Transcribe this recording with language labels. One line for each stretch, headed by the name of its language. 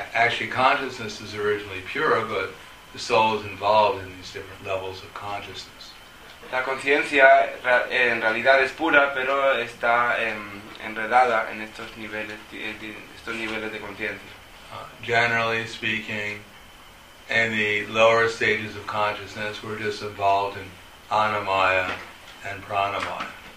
English: Actually, consciousness is originally pure, but the soul is involved in these different levels of consciousness.
Spanish: La conciencia en realidad es pura, pero está enredada en estos niveles de conciencia.
English: Generally speaking, in the lower stages of consciousness, we're just involved in anamaya and pranamaya.